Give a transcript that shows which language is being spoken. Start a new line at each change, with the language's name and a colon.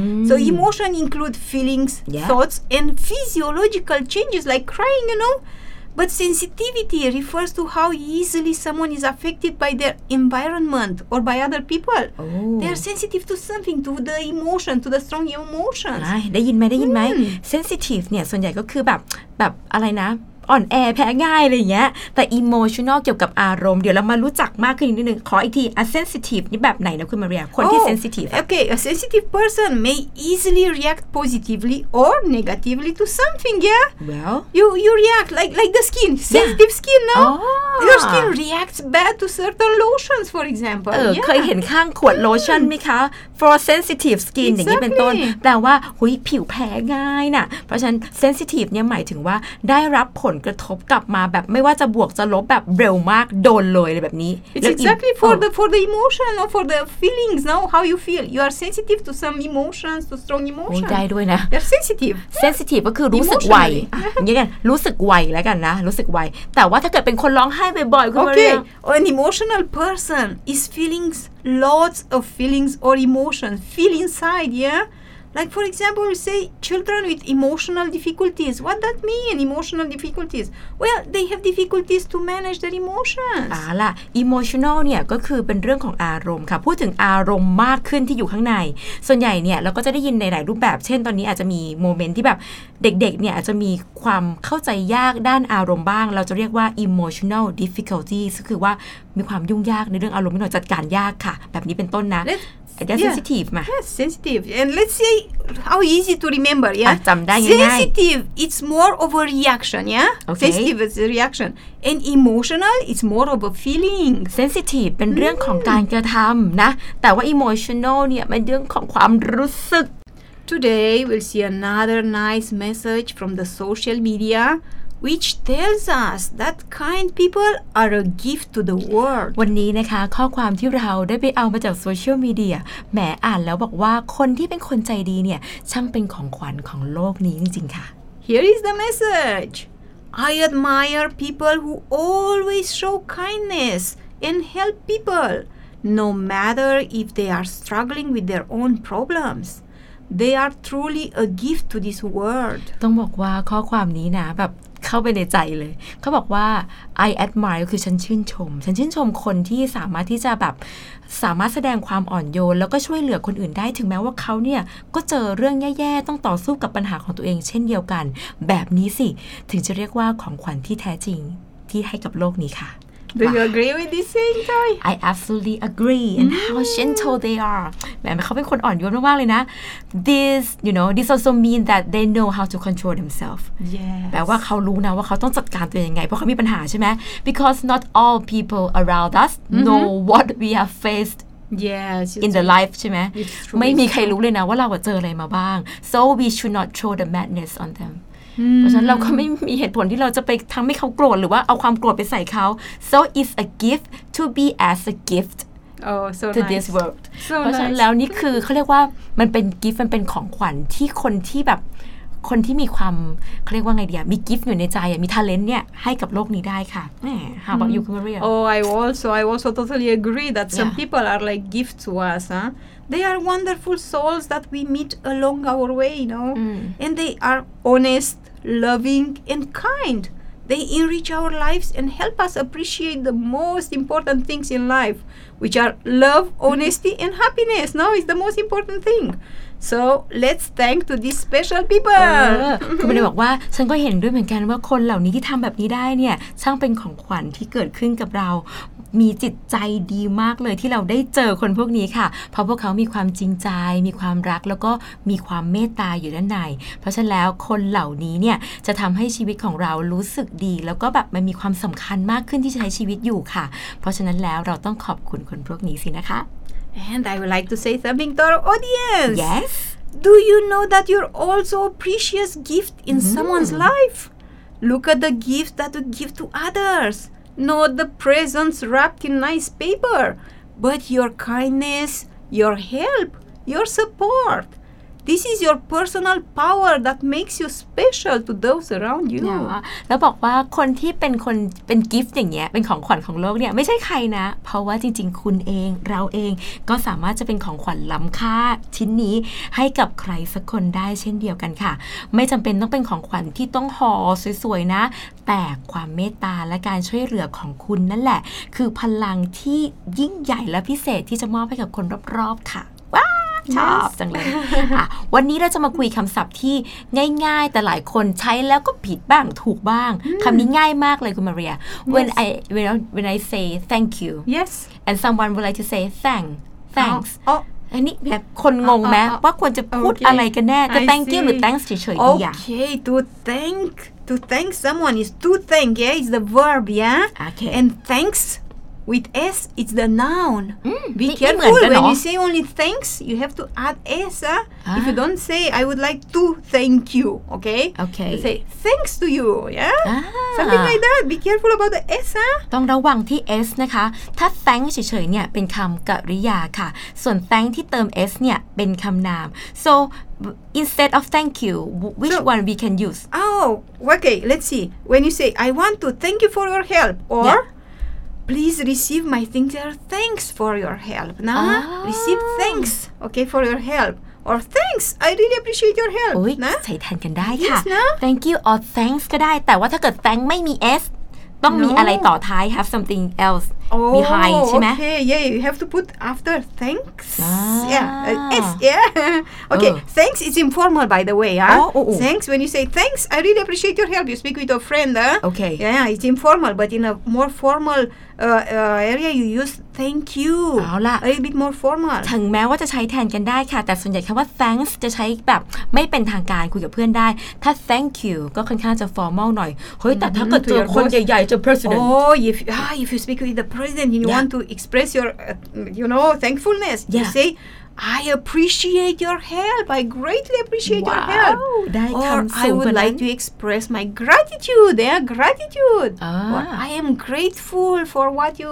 English: So emotion include feelings, thoughts, and physiological changes like crying, you know? But sensitivity refers to how easily someone is affected by their environment or by other people. Oh. They are sensitive to something, to the emotion, to the strong emotions.
Thai: ได้ยินไหมได้ยินไหม Sensitive เนี่ยส่วนใหญ่ก็คือแบบอะไรนะอ่อนแอแพ้ง่ายอะไรเงี้ยแต่ emotional เกี่ยวกับอารมณ์เดี๋ยวเรามารู้จักมากขึ้นนิดนึงขออีกที a sensitive นี่แบบไหนนะคุณมาเรียคนที่ sensitive
English: okay a sensitive person may easily react positively or negatively to something yeah well you react like the skin sensitive skin no your skin reacts bad to certain lotions for example
Thai: เคยเห็นข้างขวด lotion ไหมคะ
English: for sensitive skin exactly.
Thai: อย่างนี้เป็นต้นแปลว่าหุยผิวแพ้ง่ายน่ะเพราะฉะนั้น sensitive เนี่ยหมายถึงว่าได้รับผล กระทบกลับมาแบบไม่ว่าจะบวกจะลบแบบเร็วมากโดนเลยแบบนี้
English: It's exactly for the emotion or for the feelings no how you feel you are sensitive to some emotions to strong emotions
Thai: ได้ด้วยนะ
English: You're sensitive
Thai: sensitive ก็คือรู้สึกไวอย่างเงี้ยรู้สึกไวแล้วกันนะรู้สึกไวแต่ว่าถ้าเกิดเป็นคนร้องไห้บ่อยๆคุณมาเรีย
English: โอเค an emotional person is feelings lots of feelings or emotions feel inside yeahLike, for example, you say children with emotional difficulties. What does that mean, emotional difficulties? Well, they have difficulties to manage their emotions.
Thai: ล่ะ emotional เนี่ยก็คือเป็นเรื่องของอารมณ์ค่ะพูดถึงอารมณ์มากขึ้นที่อยู่ข้างในส่วนใหญ่เนี่ยเราก็จะได้ยินในหลายรูปแบบเช่นตอนนี้อาจจะมีโมเมนต์ที่แบบเด็กๆเนี่ยอาจจะมีความเข้าใจยากด้านอารมณ์บ้างเราจะเรียกว่า emotional difficulties ก็คือว่ามีความยุ่งยากในเรื่องอารมณ์ไม่หน่อยจัดการยากค่ะแบบนี้เป็นต้นนะSensitive
English: yeah. Yes, sensitive. And let's see how easy to remember, yeah?
Thai: จำได้ง่าย
English: Sensitive, it's more of a reaction, yeah? Okay. Sensitive is a reaction. And emotional, it's more of a feeling.
Thai: Sensitive, เป็นเรื่องของการกระทำนะแต่ว่า emotional เนี่ยมันเรื่องของความรู้สึก
English: Today, we'll see another nice message from the social media. Which tells us that kind people are a gift to the world.
Thai: วันนี้นะคะข้อความที่เราได้ไปเอามาจากโซเชียลมีเดียแหมอ่านแล้วบอกว่าคนที่เป็นคนใจดีเนี่ยช่างเป็นของขวัญของโลกนี้จริงๆค่ะ
English: Here is the message. I admire people who always show kindness and help people, no matter if they are struggling with their own problems. They are truly a gift to this world.
Thai: ต้องบอกว่าข้อความนี้นะแบบเข้าไปในใจเลยเขาบอกว่า I admire ก็คือฉันชื่นชมฉันชื่นชมคนที่สามารถที่จะแบบสามารถแสดงความอ่อนโยนแล้วก็ช่วยเหลือคนอื่นได้ถึงแม้ว่าเขาเนี่ยก็เจอเรื่องแย่ๆต้องต่อสู้กับปัญหาของตัวเองเช่นเดียวกันแบบนี้สิถึงจะเรียกว่าของขวัญที่แท้จริงที่ให้กับโลกนี้ค่ะ
English: Do you agree with this thing, Toy? I absolutely agree and how gentle they are.
Thai: แม่เขาเป็นคนอ่อนโยนมากเลยนะ
English: This, you know, this also means that they know how to control themselves. Yes.
Thai: แปลว่าเขารู้นะว่าเขาต้องจัดการตัวยังไงเพราะเขามีปัญหาใช่ไหม
English: Because not all people around us know what we have faced Yes, in the life,
Thai: ใช่ไหม ไม่มีใครรู้เลยนะว่าเราเจออะไรมาบ้าง
English: So we should not throw the madness on them.
Thai: เพราะฉะนั้นเราก็ไม่มีเหตุผลที่เราจะไปทำให้เขาโกรธหรือว่าเอาความโกรธไปใส่เขา
English: so it's a gift
Thai: to be as a gift
English: oh, so to nice. this world so
Thai: เพราะฉะนั้
English: nice.
Thai: แล้วนี่คือเขาเรียกว่ามันเป็นกิฟต์มันเป็นของขวัญที่คนที่แบบคนที่มีความเขาเรียกว่าไงเดียมีกิฟต์อยู่ในใจมีทาเลนต์เนี่ยให้กับโลกนี้ได้ค่ะแหม
English: how about you Maria oh I also totally agree that some people are like gifts to us huhThey are wonderful souls that we meet along our way, you know? And they are honest, loving, and kind. They enrich our lives and help us appreciate the most important things in life, which are love, honesty, and happiness, no? It's the most important thing. So let's thank to these special people.
Thai: คุณมาเลยบอกว่าฉันก็เห็นด้วยเหมือนกันว่าคนเหล่านี้ที่ทำแบบนี้ได้เนี่ยช่างเป็นของขวัญที่เกิดขึ้นกับเรามีจิตใจดีมากเลยที่เราได้เจอคนพวกนี้ค่ะเพราะพวกเขามีความจริงใจมีความรักแล้วก็มีความเมตตาอยู่ด้านในเพราะฉะนั้นแล้วคนเหล่านี้เนี่ยจะทำให้ชีวิตของเรารู้สึกดีแล้วก็แบบมันมีความสำคัญมากขึ้นที่ใช้ชีวิตอยู่ค่ะเพราะฉะนั้นแล้วเราต้องขอบคุณคนพวกนี้สินะคะ
English: And I would like to say something to our audience. Yes. Do you know that you're also a precious gift in someone's life? Look at the gift that you give to others. Not the presents wrapped in nice paper, but your kindness, your help, your support. This is your personal power that makes you special to those around you.
Thai: Yeah. แล้วบอกว่าคนที่เป็นคนเป็นกิฟต์อย่างเงี้ยเป็นของขวัญของโลกเนี่ยไม่ใช่ใครนะเพราะว่าจริงๆคุณเองเราเองก็สามารถจะเป็นของขวัญล้ำค่าชิ้นนี้ให้กับใครสักคนได้เช่นเดียวกันค่ะไม่จำเป็นต้องเป็นของขวัญที่ต้องห่อสวยๆนะแต่ความเมตตาและการช่วยเหลือของคุณนั่นแหละคือพลังที่ยิ่งใหญ่และพิเศษที่จะมอบให้กับคนรอบๆค่ะ ชอบจังเลยวันนี้เราจะมาคุยคำศัพท์ที่ง่ายๆแต่หลายคนใช้แล้วก็ผิดบ้างถูกบ้างคำนี้ง่ายมากเลยคุณมาเรีย
English: when I say thank you yes and someone would like to say thanks
Thai: อันนี้แบบคนงงไหมว่าควรจะพูดอะไรกันแน่จะ thank you หรือ thanks เฉยๆดีอ่ะ
English: okay to thank someone is to thank yeah it's the verb yeah okay and thanks with s it's the noun. Be careful when you say only thanks, you have to add s. If you don't say I would like to thank you, okay? Okay. You say thanks to you, yeah? Something like that. Be careful about the s.
Thai: ต้องระวังที่ s นะคะถ้า thanks เฉยๆเนี่ยเป็นคำกริยาค่ะส่วน thank ที่เติม s เนี่ยเป็นคำนาม
English: so instead of thank you which so, one we can use? Oh, okay. Let's see. When you say I want to thank you for your help or please receive my thanks for your help. Nah, receive thanks, okay, for your help. Or thanks, I really appreciate your help.
Thai: โอ้ย ใช้แทนกันได้ค่ะ
English: Yes, nah. Thank you or thanks
Thai: ก็ได้แต่ว่าถ้าเกิด thank ไม่มี S ต้องมีอะไรต่อท้าย
English: have something else behind
Thai: ใช่ไหม
English: Okay, yeah, you have to put after thanks. S, yeah. Okay, thanks is informal by the way. Thanks, when you say thanks, I really appreciate your help. You speak with your friend. Okay. Yeah, it's informal, but in a more formal area, you use thank you.
Thai: เอาล่ะ
English: A bit more formal.
Thai: ถึงแม้ว่าจะใช้แทนกันได้ค่ะแต่ส่วนใหญ่คำว่า thanks จะใช้แบบไม่เป็นทางการคุยกับเพื่อนได้ถ้า thank you ก็ค่อนข้างจะ formal หน่อยเฮ้ยแต่ถ้าเกิดเจอคนใหญ่ๆจะ president.
English: Oh, if you speak with the president, you want to express your, you know, thankfulness. Yeah. You say, I appreciate your help. I greatly appreciate your help. Or I would like to express my gratitude. Yeah, gratitude. Or I am grateful for what you